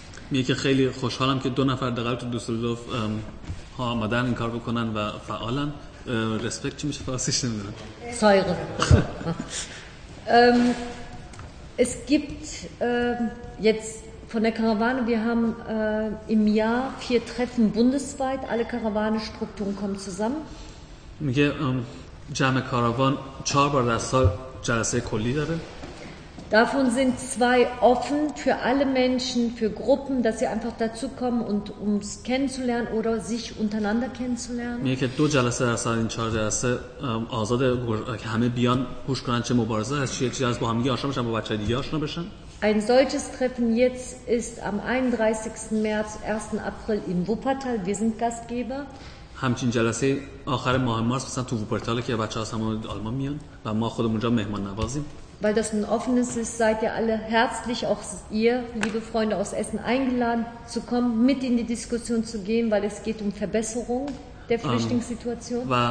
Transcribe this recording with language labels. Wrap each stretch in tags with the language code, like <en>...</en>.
<de>Ich bin sehr froh, dass zwei Leute in Düsseldorf so engagiert sind und vor allem Respekt für mich, was ich nehme. Säure. Es gibt jetzt von der Karawane, wir haben im Jahr 4 Treffen bundesweit, alle Karawanenstrukturen kommen zusammen.</de> <fa>میگه جمع کاروان 4 بار در سال جلسه کلی داره.</fa> <de>Davon sind 2 offen für alle Menschen, für Gruppen, dass sie einfach dazu kommen und um es kennenzulernen oder sich untereinander kennenzulernen. Mir geht</de> <fa>2 جلسه در سال این 4 جلسه آزاد که همه بیان گوش کنن چه مبارزه هست چیه چیز با هم دیگه آشنا بشن با بچه دیگه آشنا بشن.</fa> <de>Ein solches Treffen jetzt ist am 31. März, 1. April in Wuppertal. Wir sind Gastgeber.</de> <fa>همچین جلسه آخر ماه مارس مثلا تو ووپرتال که بچه‌ها از همون آلمان میان و ما خودمون جا مهمان نوازیم.</fa> <de>Weil das ein offenes ist, seid ihr alle herzlich, auch ihr, liebe Freunde aus Essen, eingeladen zu kommen, mit in die Diskussion zu gehen, weil es geht um Verbesserung der Flüchtlingssituation.</de>